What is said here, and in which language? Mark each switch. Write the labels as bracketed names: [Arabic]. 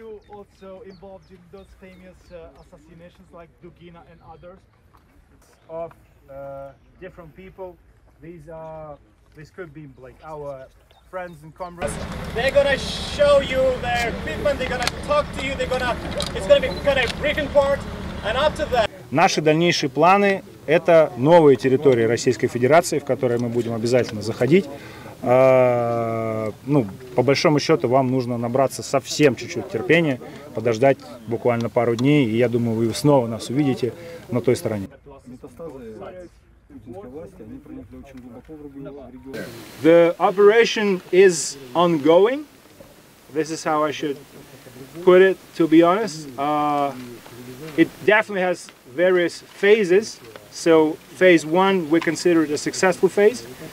[English] also involved in those famous assassinations like Dugina and others of different people. These are, this could be like our friends and comrades. They're gonna show you their equipment, they're gonna talk to you, they're gonna, it's gonna be kind of briefing part, and after that... [Russian] Наши дальнейшие планы – это новые территории Российской Федерации, в которые мы будем обязательно заходить. Ну, по большому счету, вам нужно набраться совсем чуть-чуть терпения, подождать буквально пару дней, и я думаю, вы снова нас увидите на той стороне. [English] The operation is ongoing. This is how I should put it, to be honest. It definitely has various phases. So phase one, we consider it a successful phase.